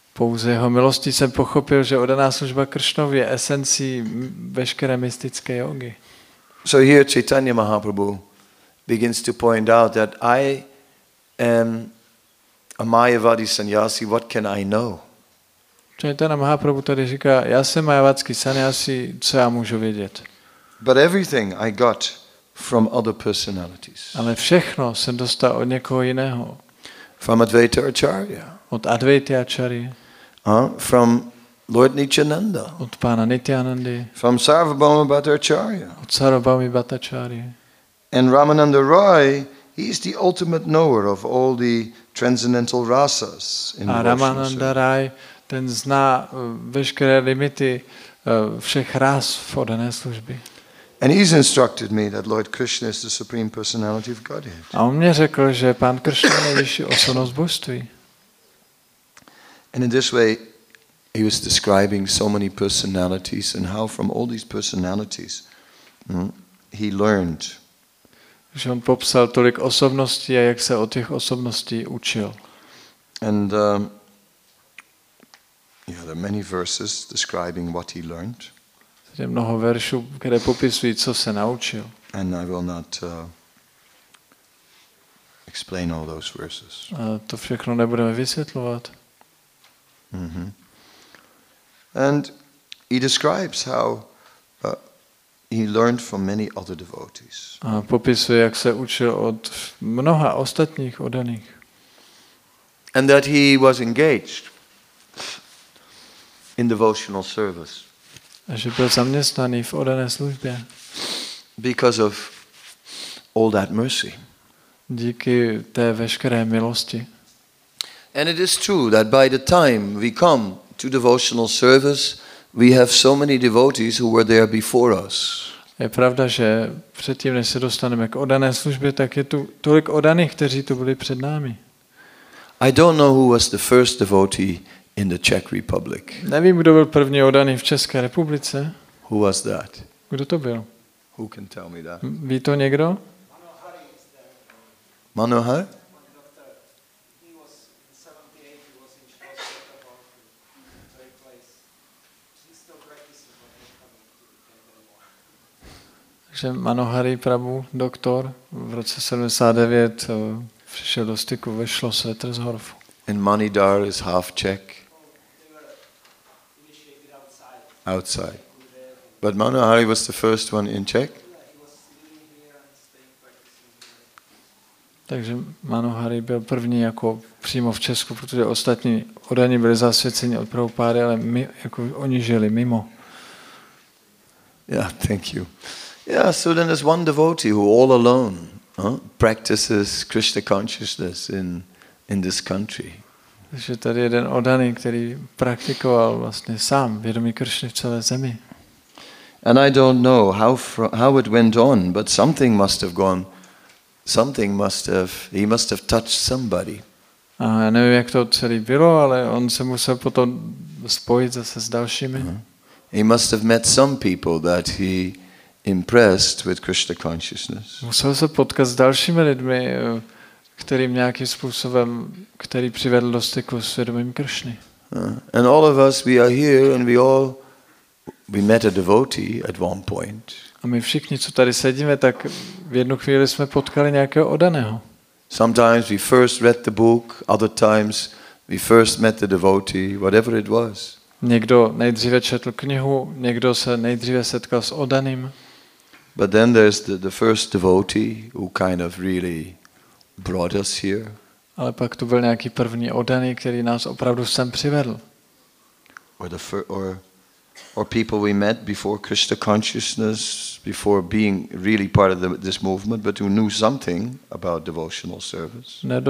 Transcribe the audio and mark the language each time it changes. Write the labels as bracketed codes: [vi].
[cs] Pouze jeho milostí jsem pochopil, že oddaná služba Krishnovi je esencí veškeré mystické jógy. [en] So here Chaitanya Mahaprabhu begins to point out that I am a Mayavadi sannyasi, what can I know? [cs] Chaitanya Mahaprabhu tady říká, já jsem Mayavadský sannyasi, co já můžu vědět? [en] But everything I got from other personalities. [cs] Ale všechno jsem dostal od někoho jiného. [en] From Advaita Acharya. [cs] Od Advaita Acharya. [en] From Lord Nityananda. [cs] Od pana Nityanandy. [en] From Sarvabhauma Bhattacharya. [cs] Od Sarvabhauma Bhattacharya. [en] And Ramananda Roy, he is the ultimate knower of all the transcendental rasas in Vaishnava. [cs] Ramananda Roy, ten zná veškeré limity všech ras v oddané službě. [en] And he's instructed me that Lord Krishna is the supreme personality of Godhead. [cs] A on mě řekl, že pán Krishna je nejvyšší osobnost božství. [en] And in this way, he was describing so many personalities and how from all these personalities he learned. [cs] Že on popsal tolik osobností a jak se od těch osobností učil. [en] And yeah, there are many verses describing what he learned. [cs] Je mnoho veršů, které popisují, co se naučil. [en] And I will not explain all those verses. [cs] A to všechno nebudeme vysvětlovat. Mm-hmm. [en] And he describes how he learned from many other devotees. [cs] A popisuje, jak se učil od mnoha ostatních oddaných. [en] And that he was engaged in devotional service. [cs] A že byl zaměstnaný v oddané službě. [en] Because of all that mercy. [cs] Díky té veškeré milosti. [en] And it is true that by the time we come to devotional service, we have so many devotees who were there before us. [cs] Je pravda, že předtím, než se dostaneme k oddané službě, tak je tu tolik oddaných, kteří tu byli před námi. [en] I don't know who was the first devotee in the Czech Republic. [cs] Nevím, kdo byl první oddaný v České republice. [en] Who was that? [cs] Kdo to byl? [en] Who can tell me that? [cs] Ví to někdo? [en] Manohar? [cs] Že Manohari Prabhu, doktor, v roce 79 přišel do styku ve Schlossvetter z Horfu. [en] And Manidhar is half Czech. Outside. But Manohari was the first one in Czech. [cs] Takže Manohari byl první jako přímo v Česku, protože ostatní oddaní byli zasvěceni od Prabhupády, ale my, jako oni žili mimo. [en] Yeah, thank you. Yeah, so then there's one devotee who all alone practices Krishna consciousness in this country. [cs] Takže tady jeden oddaný, který praktikoval vlastně sám vědomí Kršny v celé zemi. [en] And I don't know how it went on, but something must have gone. Something must have, he must have touched somebody. [cs] A já nevím, jak to celý bylo, ale on se musel potom spojit zase s dalšími. [en] He must have met some people that he impressed with Krishna consciousness. [cs] Musel se potkat s dalšími lidmi, kterým nějakým způsobem, který přivedl do styku s vědomím Kršny. [en] And all of us, we are here and we met a devotee at one point. [cs] A my všichni, co tady sedíme, tak v jednu chvíli jsme potkali nějakého oddaného. [en] Sometimes we first read the book, other times we first met the devotee, whatever it was. [cs] Někdo nejdříve četl knihu, někdo se nejdříve setkal s oddaným. [en] But then there's the first devotee who kind of really brought us here. [cs] Ale pak tu byl nějaký první oddaný, který nás opravdu sem přivedl. [en] Or people we met before Krishna consciousness, before being really part of this movement, but who knew something about devotional service.